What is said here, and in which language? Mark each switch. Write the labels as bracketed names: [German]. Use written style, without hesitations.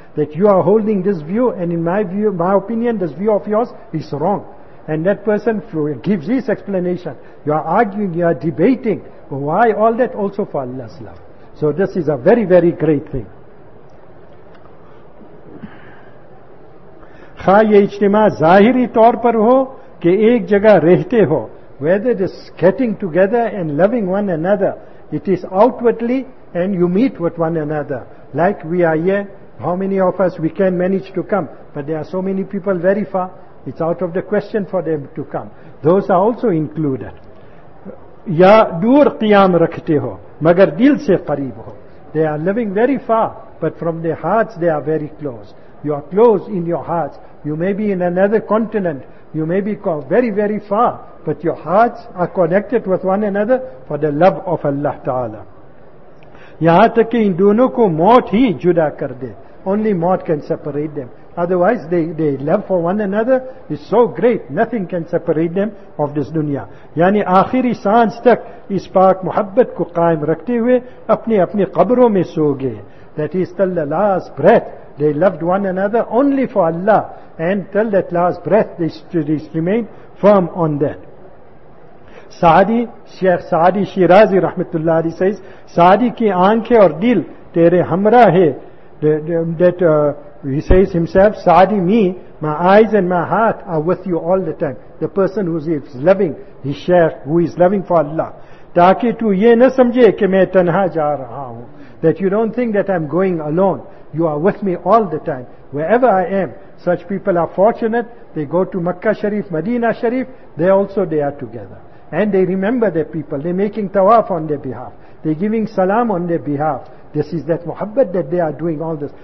[English] That you are holding this view, and in my view, my opinion, this view of yours is wrong. And that person gives his explanation. You are arguing, you are debating. Why all that? Also for Allah's love. So this is a very, very great thing. [Urdu] خواہ یہ اجتماع ظاہری طور پر ہو کہ ایک جگہ رہتے ہو. [English] Whether it is getting together and loving one another, it is outwardly, and you meet with one another. Like we are here, how many of us we can manage to come, but there are so many people very far, it's out of the question for them to come. Those are also included. [Urdu] Ya dur qiyam rakhte ho magar dil se qareeb ho. [English] They are living very far, but from their hearts they are very close. You are close in your hearts. You may be in another continent, you may be very, very far, but your hearts are connected with one another for the love of Allah Ta'ala. [Urdu] یہاں تک کہ ان دونوں کو موت ہی جدا کر دے. [English] Only موت can separate them. Otherwise they love for one another is so great, nothing can separate them of this dunya. [Urdu] یعنی آخری سانس تک اس پاک محبت کو قائم رکھتے ہوئے اپنے اپنے قبروں میں سو گئے. [English] That is till the last breath they loved one another only for Allah, and till that last breath they remained firm on that. [Urdu] Saadi, Sheikh Saadi Shirazi رحمت اللہ علیہ says, سعدی کی آنکھیں اور دل تیرے ہمراہ ہے. [English] That he says himself, Saadi me, my eyes and my heart are with you all the time. The person who is loving his شیخ, who is loving for Allah. [Urdu] تاکہ تو یہ نہ سمجھے کہ میں تنہا جا رہا ہوں. [English] That you don't think that I'm going alone. You are with me all the time, wherever I am. Such people are fortunate. They go to Makkah Sharif, Medina Sharif. They also, they are together. And they remember their people. They're making tawaf on their behalf. They're giving salam on their behalf. This is that muhabbat that they are doing all this.